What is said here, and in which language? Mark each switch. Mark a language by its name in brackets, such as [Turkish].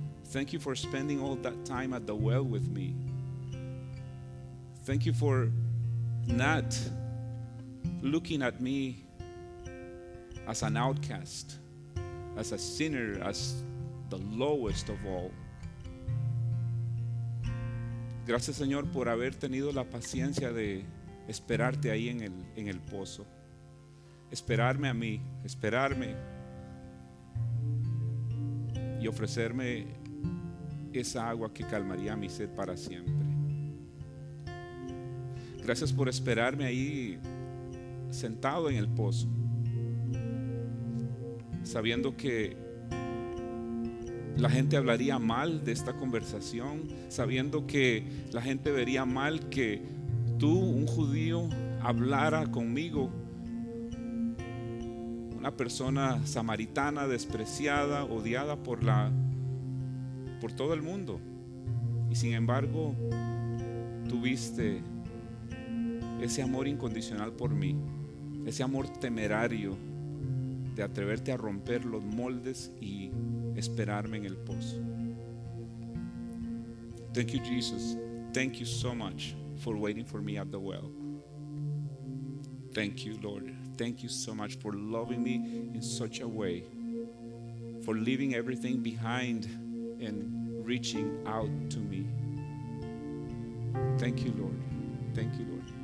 [English] Thank you for spending all that time at the well with me. Thank you for not looking at me as an outcast, as a sinner, as the lowest of all. [Spanish] Gracias, Señor, por haber tenido la paciencia de esperarte ahí en el pozo. Esperarme a mí, esperarme y ofrecerme esa agua que calmaría mi sed para siempre. Gracias por esperarme ahí sentado en el pozo, sabiendo que la gente hablaría mal de esta conversación, sabiendo que la gente vería mal que tú, un judío, hablara conmigo, una persona samaritana, despreciada, odiada por todo el mundo. Y sin embargo, tuviste ese amor incondicional por mí, ese amor temerario de atreverte a romper los moldes y esperarme en el pozo. [English] Thank you, Jesus. Thank you so much for waiting for me at the well. Thank you, Lord. Thank you so much for loving me in such a way, for leaving everything behind and reaching out to me. Thank you, Lord. Thank you, Lord.